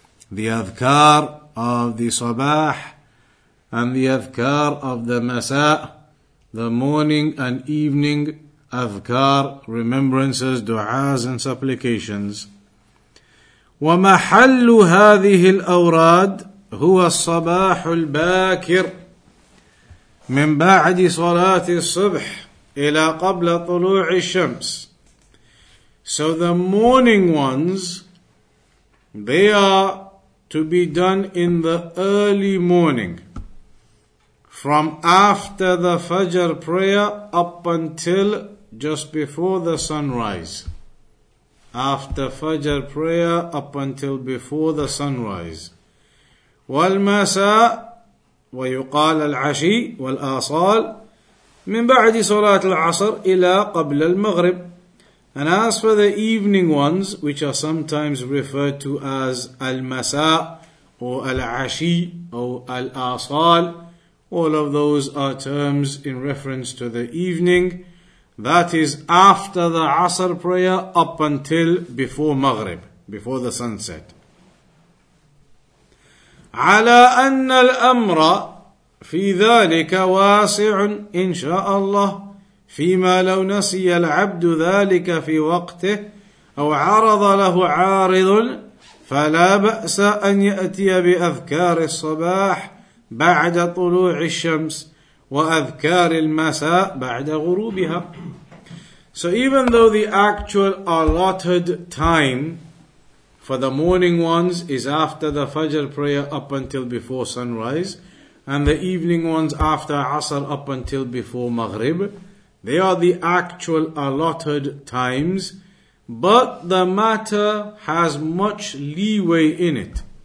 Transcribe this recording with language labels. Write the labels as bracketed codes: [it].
[en] The adhkar of the sabah and the adhkar of the masa, the morning and evening adhkar, remembrances, du'as and supplications. [ar] ومحل هذه الأوراد هو الصباح الباكر من بعد صلاة الصبح إلى قبل طلوع الشمس. [en] So the morning ones, they are to be done in the early morning, from after the Fajr prayer up until just before the sunrise. After Fajr prayer up until before the sunrise. [ar] والمساء ويقال العشي والآصال من بعد صلاة العصر إلى قبل المغرب. [en] And as for the evening ones, which are sometimes referred to as المساء or العشي or الآصال All of those are terms in reference to the evening, that is after the Asr prayer up until before Maghrib, before the sunset. [ar] عَلَىٰ أَنَّ الْأَمْرَ فِي ذَٰلِكَ وَاسِعٌ إِنْ شَاءَ اللَّهُ فيما لو نسي العبد ذلك في وقته أو عرض له عارض فلا بأس أن يأتي بأذكار الصباح بعد طلوع الشمس وأذكار المساء بعد غروبها. [en] So even though the actual allotted time for the morning ones is after the Fajr prayer up until before sunrise, and the evening ones after Asr up until before Maghrib, they are the actual allotted times, but the matter has much leeway in it.